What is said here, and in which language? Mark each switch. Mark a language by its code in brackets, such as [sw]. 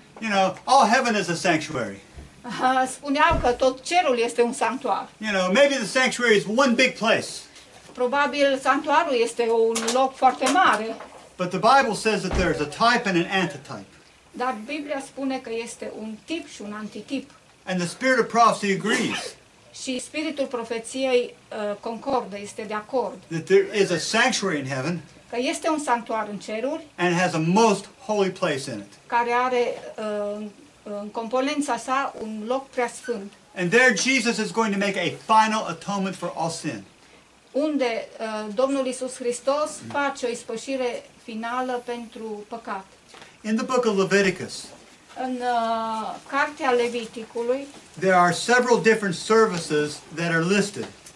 [en] You know, all heaven is a sanctuary. [ro] Spuneau că tot cerul este un sanctuar. [en] You know, maybe the sanctuary is one big place. [ro] Probabil sanctuarul este un loc foarte mare. [en] But the Bible says that there is a type and an antitype. [ro] Dar Biblia spune că este un tip și un antitip. [en] And the spirit of prophecy agrees. [ro] Și spiritul profeției concordă, este de acord. [en] That there is a sanctuary in heaven. [ro] Că este un sanctuar în ceruri. [en] And it has a most holy place in it. [ro] Care are în componența sa un loc preasfânt. [en] And there Jesus is going to make a final atonement for all sin. [ro] Unde Domnul Iisus Hristos face o ispășire finală pentru păcat. [en] In the book of Leviticus, [ro] în cartea Leviticului, [en] there are several different services that are listed.